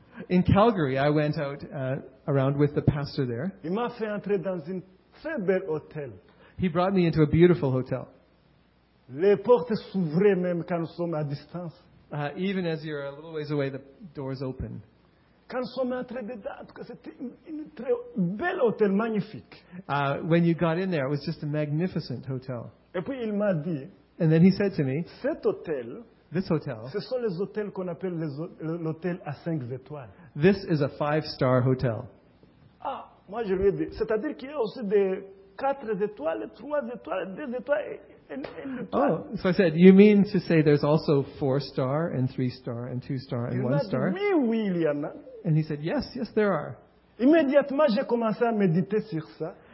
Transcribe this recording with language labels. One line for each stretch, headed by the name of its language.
English: In Calgary, I went out around with the pastor there.
French: Il m'a fait entrer dans un très bel hôtel.
English: He brought me into a beautiful hotel.
French: Les portes s'ouvraient même quand nous sommes à distance.
English: Even as you're a little ways away, the doors open.
French: Quand nous sommes entrés dedans, c'était un très bel hôtel, magnifique.
English: When you got in there, it was just a magnificent hotel.
French: Et puis il m'a dit,
English: and then he said to me,
French: cet hôtel,
English: This hotel.
French: Ce sont les hôtels qu'on appelle les l'hôtel à 5 étoiles.
English: This is a 5-star hotel.
French: Ah, moi je lui ai dit. C'est-à-dire qu'il y a aussi des 4 étoiles, 3 étoiles, 2 étoiles.
English: Oh, so I said, you mean to say there's also 4-star and 3-star and 2-star and 1-star?
French: Oui,
English: and he said, yes, there are.
French: Immédiatement, j'ai commencé à méditer sur ça.